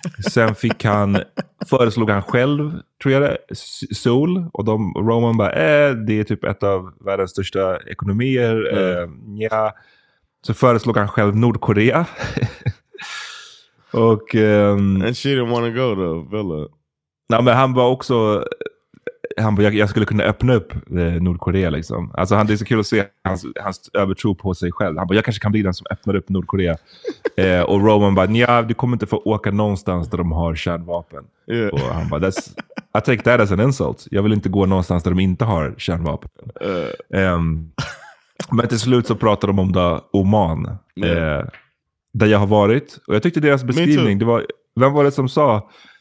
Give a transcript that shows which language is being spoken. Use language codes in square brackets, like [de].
[sv] sen fick han, föreslog han själv, tror jag det, Sol, och de, Roman bara, det är typ ett av världens största ekonomier, ja. Så föreslog han själv Nordkorea. Och [en] and she didn't want to go to Villa. [sv] Nej, men han var också, han bara, jag skulle kunna öppna upp Nordkorea liksom. Alltså han, det är så kul att se hans övertro på sig själv. Han bara, jag kanske kan bli den som öppnar upp Nordkorea. Och Roman bara, nja, du kommer inte få åka någonstans där de har kärnvapen. [en] Yeah. [sv] Och han bara, [en] I take that as an insult. [sv] Jag vill inte gå någonstans där de inte har kärnvapen. Men till slut så pratar de om det, Oman. Där jag har varit. Och jag tyckte deras beskrivning, det var, vem var det som sa...